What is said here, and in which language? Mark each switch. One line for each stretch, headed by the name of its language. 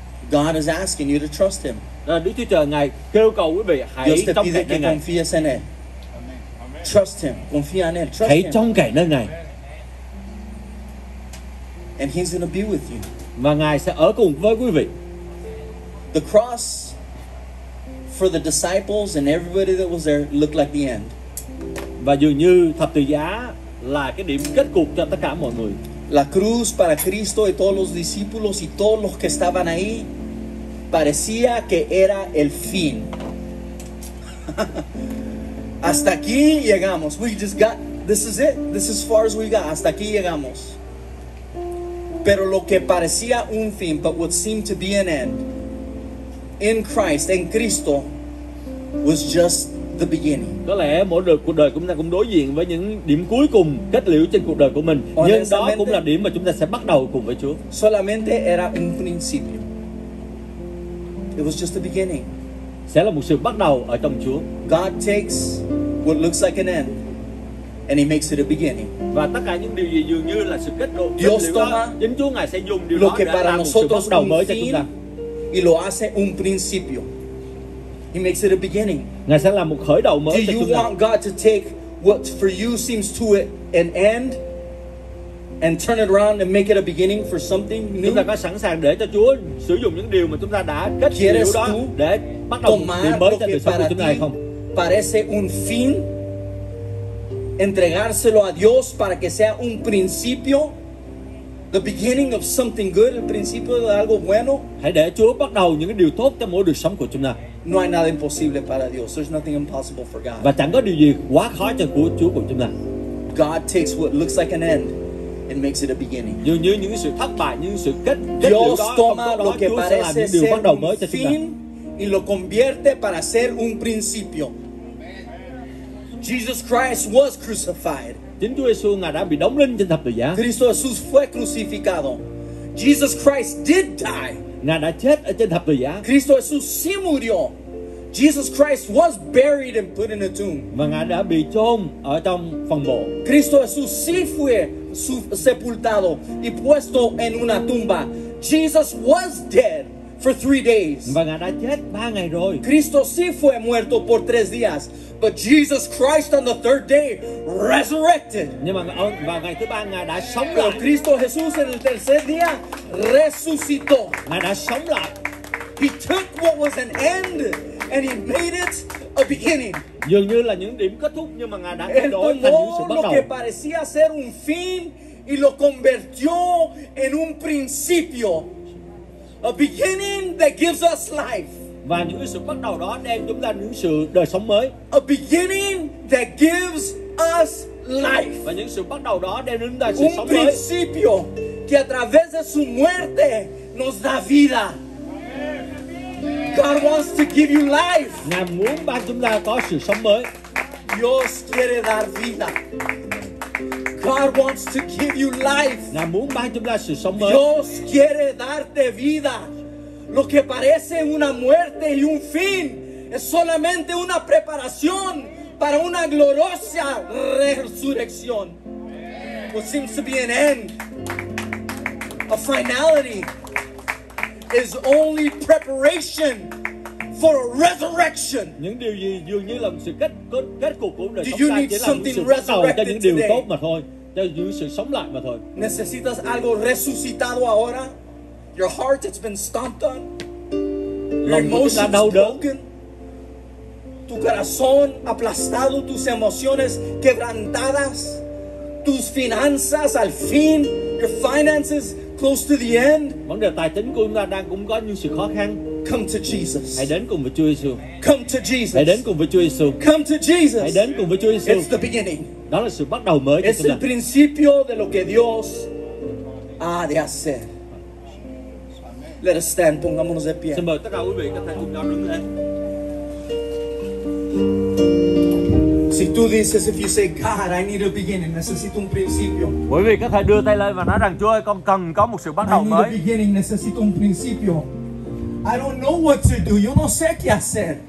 English: God is asking you to trust Him.
Vietnamese: Đức Chúa Trời ngài kêu cầu quý vị hãy trông cậy nơi ngài.
English: Amen. Amen. Trust Him.
Spanish: Confía en él.
Vietnamese: Hãy trông cậy nơi ngài.
English: And He's going to be with you.
Vietnamese: Và ngài sẽ ở cùng với quý vị.
English: The cross for the disciples and everybody that was there looked like the end.
Vietnamese: Và dường như thập tự giá là cái điểm kết cục cho tất cả mọi người.
Spanish: La cruz para Cristo y todos los discípulos y todos los que estaban ahí parecía que era el fin. Hasta aquí llegamos.
English: We just got, this is it. This is as far as we got.
Spanish: Hasta aquí llegamos. Pero lo que parecía un fin,
English: but what seemed to be an end, in Christ,
Spanish: en Cristo,
English: was just the beginning.
Vietnamese: Có lẽ mỗi đợt cuộc đời chúng ta cũng đối diện với những điểm cuối cùng, kết liễu trên cuộc đời của mình. Nhưng đó cũng là điểm mà chúng ta sẽ bắt đầu cùng với Chúa.
Spanish: Solamente era un principio.
English: It was just the beginning.
Vietnamese: sẽ là một sự bắt đầu ở trong Chúa.
English: God takes what looks like an end and he makes it a beginning.
Vietnamese: Và tất cả những điều gì dường như là sự kết thúc,
Spanish: Dios toma,
Vietnamese: chính Chúa Ngài sẽ dùng điều đó để làm một sự bắt đầu mới cho chúng ta.
Spanish: Y lo hace un principio.
English: He makes it a beginning.
Vietnamese: Ngài sẽ làm một khởi đầu mới cho chúng ta.
English: Do you want God to take what for you seems to it an end and turn it around and make it a beginning for something new?
Vietnamese: Chúng ta có sẵn sàng để cho Chúa sử dụng những điều mà chúng ta đã kết liễu đó để bắt đầu điều mới cho đời sống của chúng ta hay không?
Spanish: Parece un fin entregárselo a Dios para que sea un principio,
English: the beginning of something good,
Spanish: el principio de algo bueno.
Vietnamese: Hãy để Chúa bắt đầu những điều tốt cho mỗi đời sống của chúng ta.
Spanish: No hay nada imposible para Dios.
English: There's nothing impossible for God.
Vietnamese: Và chẳng có điều gì quá khó cho Chúa của chúng ta.
English: God takes what looks like an end and makes it a beginning.
Vietnamese: Như như những sự thất bại, những sự kết
Spanish: Dios
Vietnamese: đó,
Spanish: toma lo que parece ser un fin
Vietnamese: mới cho chúng ta.
Spanish: Y lo convierte para ser un principio.
English: Jesus Christ was crucified.
Vietnamese: Chính Chúa Giêsu Ngài đã bị đóng đinh trên thập tự giá.
Spanish: Cristo Jesús fue crucificado.
English: Jesus Christ did die.
Vietnamese: Ngài đã chết ở trên thập tự giá.
Spanish: Cristo Jesús sí murió.
English: Jesus Christ was buried and put in a tomb.
Vietnamese: Và Ngài đã bị chôn ở trong phòng mộ.
Spanish: Cristo Jesús sí fue sepultado y puesto en una tumba.
English: Jesus was dead for 3 days.
Vietnamese: Và Ngài đã chết 3 ngày rồi.
Spanish: Cristo sí fue muerto por 3 días.
English: But Jesus Christ on the 3rd day resurrected.
Vietnamese: Nhưng mà và ngày thứ ba Ngài đã sống lại.
Spanish: Cristo Jesús en el tercer día resucitó.
Vietnamese: Ngài đã sống lại.
English: He took what was an end and he made it a beginning.
Vietnamese: Dường như là những điểm kết thúc nhưng mà Ngài đã thay đổi thành những sự bắt đầu.
Spanish: Lo que parecía ser un fin y lo convirtió en un principio.
English: A beginning that gives us life.
Vietnamese: Và những sự bắt đầu đó đem chúng ta những sự đời sống mới.
English: A beginning that gives us life.
Vietnamese: Và những sự bắt đầu đó đem đến đời sống mới.
Spanish: Un principio que a través de su muerte nos da vida.
English: God wants to give you life.
Vietnamese: Ngài muốn ban chúng ta có sự sống mới.
Spanish: Dios quiere dar vida.
English: God wants to give you life.
Vietnamese: Ngài muốn ban chúng ta sự sống mới.
Spanish: Dios quiere darte vida. Lo que parece una muerte y un fin es solamente una preparación para una gloriosa resurrección.
English: What seems to be an end, a finality, is only preparation for a resurrection.
Vietnamese: Những điều gì dường như là sự kết cục của đời sống ta chỉ là một sự bắt đầu cho những điều tốt mà thôi, cho những sự sống lại mà thôi.
Spanish: Necesitas algo resucitado ahora?
English: Your heart that's been stomped on.
Vietnamese: Lòng của ta đau đớn.
Spanish: Tu corazón aplastado, tus emociones quebrantadas, tus finanzas al fin,
English: your finances close to the end.
Vietnamese: Vấn đề tài chính của chúng ta đang cũng có những sự khó khăn.
English: Come to Jesus.
Vietnamese: Hãy đến cùng với Chúa Giêsu.
English: Come to Jesus.
Vietnamese: Hãy đến cùng với Chúa Giêsu.
English: Come to Jesus.
Vietnamese: Hãy đến cùng với Chúa Giêsu.
English: It's the beginning.
Vietnamese: Đó là sự bắt đầu mới cho chúng ta.
Spanish: Es el principio de lo que Dios ha de hacer.
English: Let us stand,
Spanish: pongámonos de pie.
Vietnamese: Xin mời tất cả quý vị có thể cùng nhau đứng lên.
Spanish: Si tú dices,
English: if you say, God, I need a beginning,
Spanish: necesito un principio.
Vietnamese: Quý vị có thể đưa tay lên và nói rằng, Chúa ơi, con cần có một sự bắt đầu mới.
English: I need a beginning,
Spanish: necesito un principio.
English: I don't know what to do,
Spanish: yo no sé qué hacer.